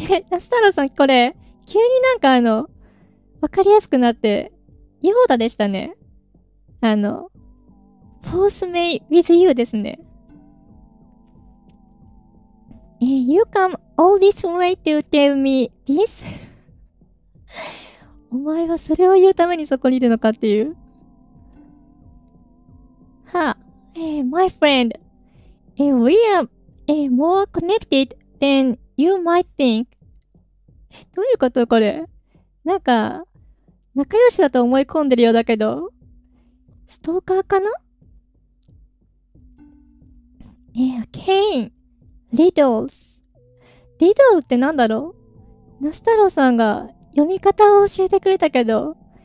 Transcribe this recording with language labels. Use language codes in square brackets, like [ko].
[ja] ラスタロさん、これ急になんかあのわかりやすくなってヨーダでしたね。あのフォースメイウィズユーですね。 [en] You come all this way to tell me this? [ja] お前はそれを言うためにそこにいるのかっていう。 [en] はぁ、my friend, we are more connected than you might think. [ja] どういうことこれ。なんか、仲良しだと思い込んでるようだけど。ストーカーかな？ケイン。リドルス。リドルってなんだろう？ナスタロウさんが読み方を教えてくれたけど、